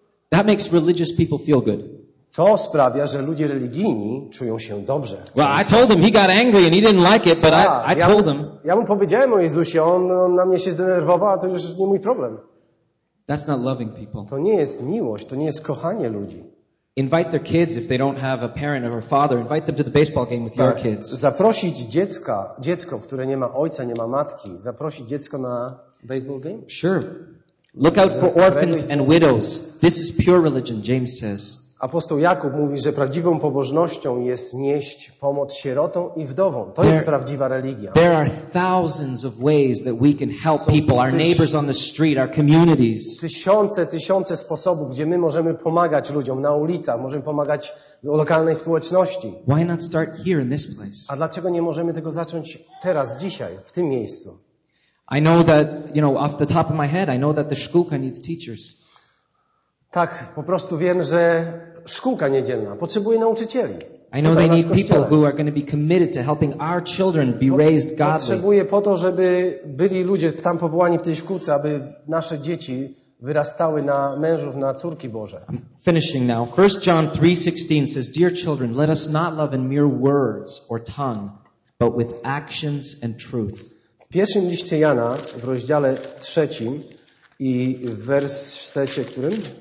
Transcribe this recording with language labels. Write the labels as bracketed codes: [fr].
[en] That makes religious people feel good. [pl] To sprawia, że ludzie religijni czują się dobrze. [en] Well, I told him he got angry and he didn't like it, but I told him. [pl] Ja mu powiedziałem o Jezusie, on na mnie się zdenerwował, a to już nie mój problem. [en] That's not loving people. [pl] To nie jest miłość, to nie jest kochanie ludzi. [en] Invite their kids if they don't have a parent or a father, invite them to the baseball game with your kids. [pl] Zaprosić dziecko, które nie ma ojca, nie ma matki, zaprosić dziecko na [en] baseball game? Sure. Look out for orphans and widows. This is pure religion, James says. [pl] Apostoł Jakub mówi, że prawdziwą pobożnością jest nieść pomoc sierotom i wdowom. To jest prawdziwa religia. [en] There are thousands of ways that we can help people, our neighbors on the street, our communities. [pl] Tysiące sposobów, gdzie my możemy pomagać ludziom na ulicach, możemy pomagać lokalnej społeczności. [en] Why not start here in this place? [pl] A dlaczego nie możemy tego zacząć teraz, dzisiaj, w tym miejscu? [en] I know that, you know, off the top of my head, I know that the szkółka needs teachers. [pl] Tak, po prostu wiem, że szkółka niedzielna potrzebuje nauczycieli. [en] I know they need people who are going to be committed to helping our children be raised godly. [pl] Potrzebuję po to, żeby byli ludzie tam powołani w tej szkółce, aby nasze dzieci wyrastały na mężów, na córki Boże. [en] I'm finishing now. 1 John 3:16 says, "Dear children, let us not love in mere words or tongue, but with actions and truth." [pl] W pierwszym liście Jana, w rozdziale trzecim i w wersecie którym?